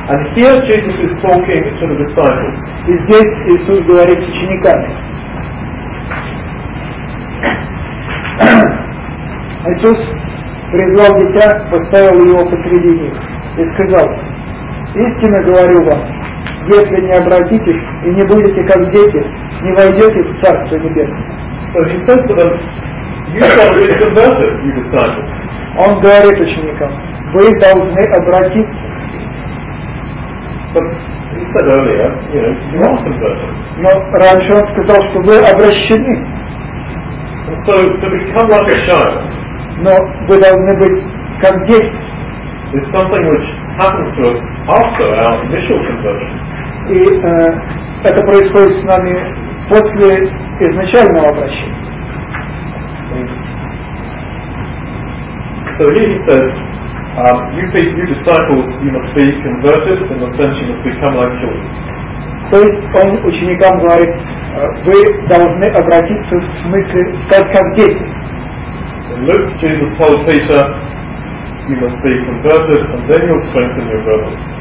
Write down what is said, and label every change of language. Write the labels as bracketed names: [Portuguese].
[English] And here Jesus is talking to the disciples. [Russian] И здесь Иисус говорит с учениками. Иисус призвал дитя, поставил его посреди них и сказал: истинно говорю вам, если не обратитесь и не будете как дети, не войдете в Царство Небесное. [English] So he said to them, you've got to be converted, you disciples. [Russian] Он говорит ученикам, вы должны обратиться. [English] But he said earlier, you know, you are converted. [Russian] Но раньше он сказал, что вы обращены. [English] So to become like a child. [Russian] Но [English] without never [Russian] как дети. [English] It's something which happens to us after our initial conversion. [Russian] И это происходит с нами после изначального обращения. [English] So here he says, you disciples, you must be converted in the sense you must become like children. [Russian] То есть он ученикам говорит, вы должны обратиться в смысле стать как дети. [English] In Luke, Jesus told Peter, you must be converted and then you'll strengthen your brother.